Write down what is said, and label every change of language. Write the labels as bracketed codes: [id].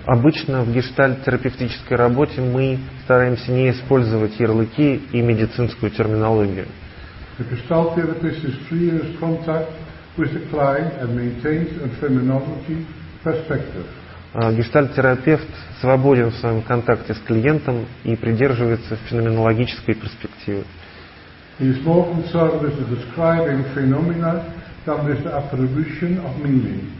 [ru] Обычно в гештальт-терапевтической работе мы стараемся не использовать ярлыки и медицинскую терминологию. [en] The gestalt therapist is free in his contact with the client and maintains a terminology perspective. [ru] Гештальт-терапевт свободен в своем контакте с клиентом и придерживается феноменологической перспективы. [en] He is more concerned with the describing phenomena than with the attribution of meaning.